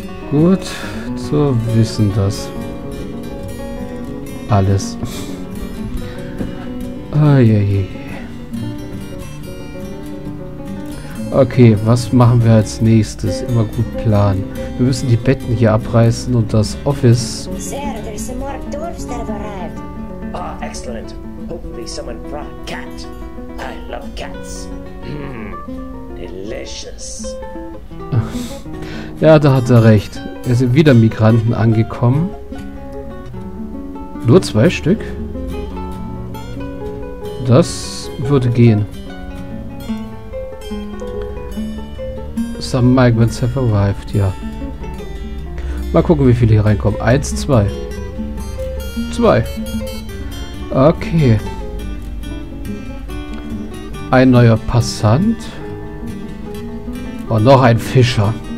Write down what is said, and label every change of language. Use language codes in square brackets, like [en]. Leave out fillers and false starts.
[de] Gut, so wissen das alles. Okay, was machen wir als nächstes? Immer gut planen. Wir müssen die Betten hier abreißen und das Office. [en] Sir, there is more dwarves that have arrived. Ah, excellent. Hopefully someone brought a cat. I love cats. Delicious. [de] Ja, da hat er recht. Es sind wieder Migranten angekommen. Nur zwei Stück? Das würde gehen. [en] Some migrants have arrived, [de] ja. Mal gucken, wie viele hier reinkommen. Eins, zwei. Zwei. Okay. Ein neuer Passant. Und noch ein Fischer.